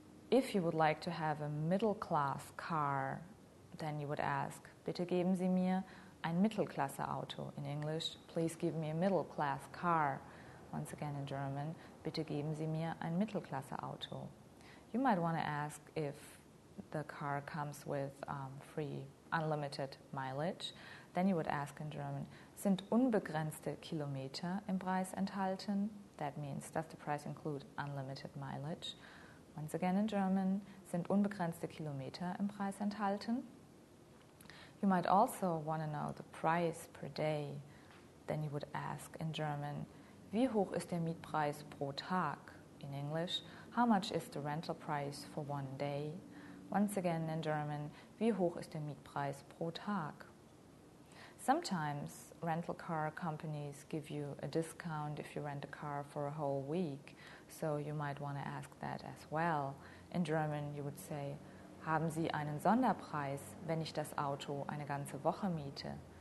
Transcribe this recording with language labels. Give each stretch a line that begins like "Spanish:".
English: If you would like to have a middle-class car, then you would ask,
German: bitte geben Sie mir ein Mittelklasse-Auto.
English: In English, please give me a middle-class car. Once again in German,
German: bitte geben Sie mir ein Mittelklasse-Auto.
English: You might want to ask if the car comes with free, unlimited mileage. Then you would ask in German,
German: sind unbegrenzte Kilometer im Preis enthalten?
English: That means, does the price include unlimited mileage? Once again in German,
German: sind unbegrenzte Kilometer im Preis enthalten?
English: You might also want to know the price per day. Then you would ask in German,
German: wie hoch ist der Mietpreis pro Tag?
English: In English, how much is the rental price for one day? Once again in German,
German: wie hoch ist der Mietpreis pro Tag?
English: Sometimes rental car companies give you a discount if you rent a car for a whole week, so you might want to ask that as well. In German, you would say,
German: haben Sie einen Sonderpreis, wenn ich das Auto eine ganze Woche miete?